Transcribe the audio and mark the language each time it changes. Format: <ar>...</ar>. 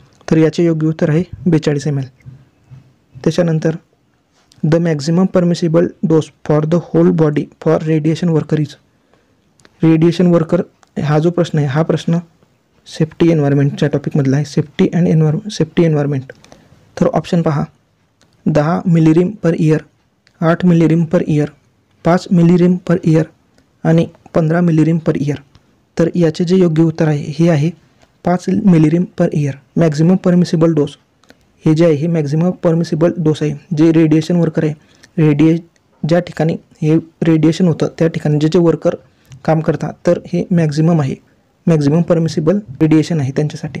<mr>तर याचे योग्य उत्तर आहे 42 ml. त्याच्यानंतर</mr> <en>the maximum permissible dose for the whole body for radiation worker is,</en> <mr>radiation worker हा जो प्रश्न आहे हा प्रश्न सेफ्टी एन्व्हायरमेंटच्या टॉपिकमधला आहे, सेफ्टी अँड सेफ्टी एन्व्हायरमेंट. तर ऑप्शन पहा,</mr> <en>10 millirem per year, 8 millirem per year, 5 millirem per year आणि 15 millirem per year.</en> <mr>तर याचे जे योग्य उत्तर आहे हे आहे 5 मिलीरिम per year, maximum permissible dose. हे जे आहे हे मॅक्झिमम परमिसिबल डोस आहे। जे रेडिएशन वर्कर आहे, रेडिए ज्या ठिकाणी हे रेडिएशन होतं त्या ठिकाणी जे वर्कर काम करतात, तर हे मॅक्झिमम आहे, मॅक्झिमम परमिसिबल रेडिएशन आहे त्यांच्यासाठी।</mr>